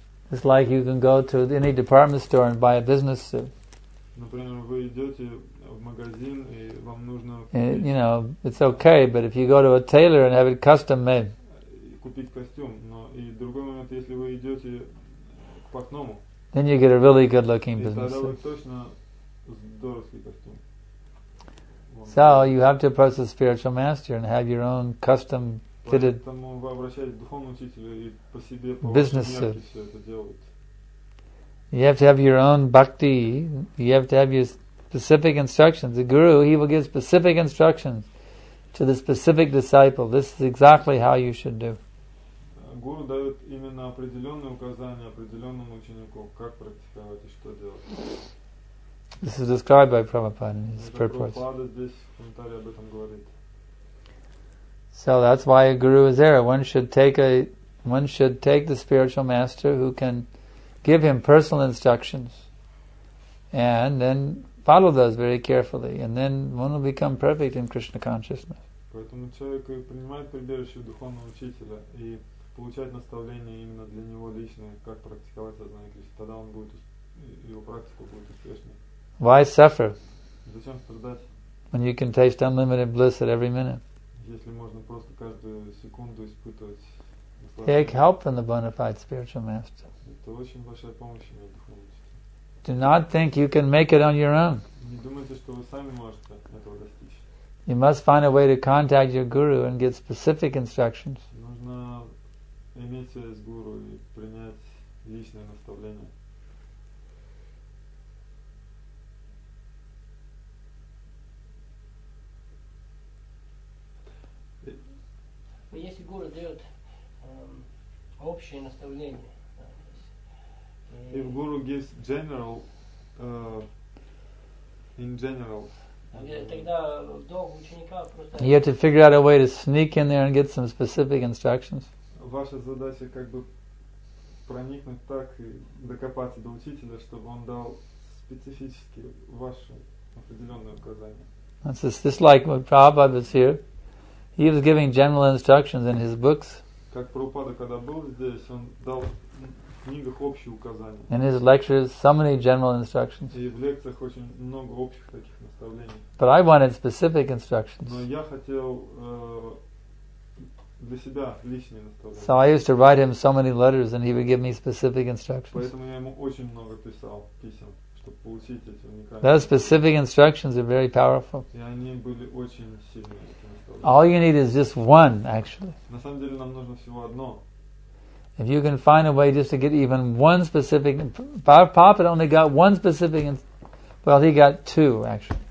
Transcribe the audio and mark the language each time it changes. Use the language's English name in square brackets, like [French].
[English] It's like you can go to any department store and buy a business suit. [Russian] Например, вы идете в магазин и вам нужно. [English] You know, it's okay, but if you go to a tailor and have it custom made. [Russian] Купить костюм, но и другой момент, если вы идете к портному. [English] Then you get a really good-looking business suit. [Russian] И тогда вы точно здоровый костюм. [English] So you have to approach the spiritual master and have your own custom. [Russian] Поэтому вы обращаетесь к духовному учителю и по себе по [English] business [Russian] вашей мерке все это делают. [English] You have to have your own bhakti. You have to have your specific instructions. The guru, he will give specific instructions to the specific disciple. This is exactly how you should do. [Russian] Гуру дает именно определенные указания определенному ученику, как практиковать и что делать. [English] This is described by Prabhupada in his purports. [Russian] Прабхупада здесь в комментарии об этом говорит. [English] So that's why a guru is there. One should take the spiritual master who can give him personal instructions and then follow those very carefully, and then one will become perfect in Krishna consciousness. [Russian] Поэтому человек принимает прибежище духовного учителя и получает наставление именно для него лично, как практиковать сознание Кришны. Тогда он будет, его практика будет успешной. [English] Why suffer? [Russian] Зачем страдать? [English] When you can taste unlimited bliss at every minute. [Russian] Если можно просто каждую секунду испытывать. [English] Take help from the bona fide spiritual master. [Russian] Это очень большая помощь мне духовному учителю. [English] Do not think you can make it on your own. [Russian] Не думайте, что вы сами можете этого достичь. [English] You must find a way to contact your guru and get specific instructions. [Russian] Нужно иметь связь с гуру и принять личное наставление. Если гуру дает общее наставление, [English] if guru gives general, in general, [Russian] тогда долг ученика просто. [English] You have to figure out a way to sneak in there and get some specific instructions. [Russian] Ваша задача как бы проникнуть так и докопаться до учителя, чтобы он дал специфические ваши определенные указания. [English] That's just like what Prabhupada is here. He was giving general instructions in his books. [Russian] Как Прабхупада, когда был здесь, он дал в книгах общие указания. [English] In his lectures, so many general instructions. [Russian] И в лекциях очень много общих таких наставлений. [English] But I wanted specific instructions. [Russian] Но я хотел для себя личные наставления. [English] So I used to write him so many letters, and he would give me specific instructions. [Russian] Поэтому я ему очень много писал писем, чтобы получить эти уникальные. [English] Those specific instructions are very powerful. [Russian] И они были очень сильные. [English] All you need is just one, actually. [Russian] На самом деле нам нужно всего одно. [English] If you can find a way just to get even one specific, Prabhupada only got one specific, he got two, actually.